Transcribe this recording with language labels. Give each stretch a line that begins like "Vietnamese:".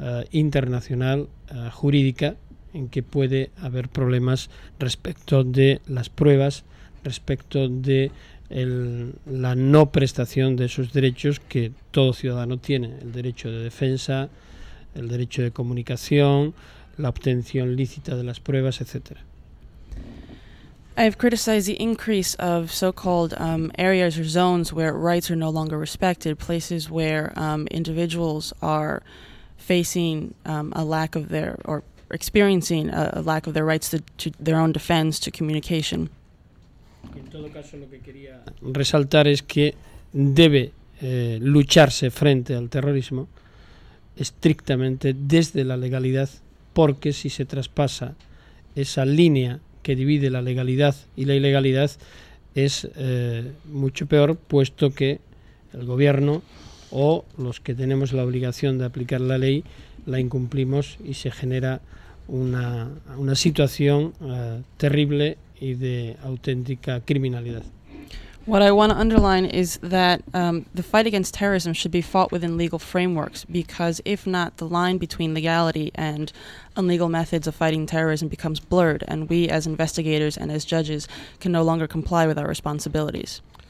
Spanish: internacional jurídica en que puede haber problemas respecto de las pruebas, respecto de la no prestación de esos derechos que todo ciudadano tiene, el derecho de defensa, el derecho de comunicación, la obtención lícita de las pruebas, etcétera.
English: I have criticized the increase of so-called areas or zones where rights are no longer respected, places where individuals are facing a lack of their, or experiencing a lack of their rights to their own defense, to communication.
Spanish: En todo caso, lo que quería resaltar es que debe lucharse frente al terrorismo estrictamente desde la legalidad, porque si se traspasa esa línea que divide la legalidad y la ilegalidad, es mucho peor, puesto que el gobierno o los que tenemos la obligación de aplicar la ley, la incumplimos y se genera una situación terrible y de auténtica criminalidad.
English: What I want to underline is that the fight against terrorism should be fought within legal frameworks, because if not, the line between legality and illegal methods of fighting terrorism becomes blurred, and we as investigators and as judges can no longer comply with our responsibilities.